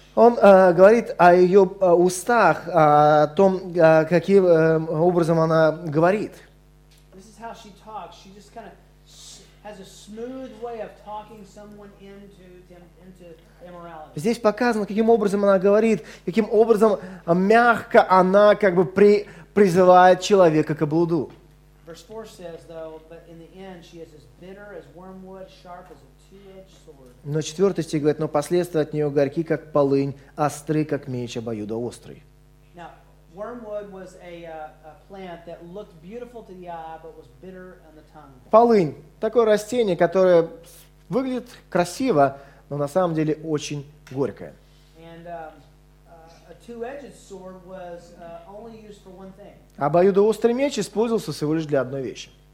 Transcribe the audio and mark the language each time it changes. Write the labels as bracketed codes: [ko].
[ru] Он говорит о ее устах, о том, каким образом она говорит. [en] This is how she talks. She just kind of has a smooth way of talking someone into immorality. [ru] Здесь показано, каким образом она говорит, каким образом мягко она как бы призывает человека к блуду. [en] Verse 4 says, though, but in the end she is as bitter as wormwood, sharp as a two-edged sword. [ru] Но четвертый стих говорит, но последствия от нее горьки, как полынь, остры, как меч обоюдоострый. [en] Now, wormwood was a plant that looked beautiful to the eye, but was bitter on the tongue. [ru] Полынь – такое растение, которое выглядит красиво, но на самом деле очень горькое. [en] And a two-edged sword was only used for one thing. [ru] Обоюдоострый меч использовался всего лишь для одной вещи.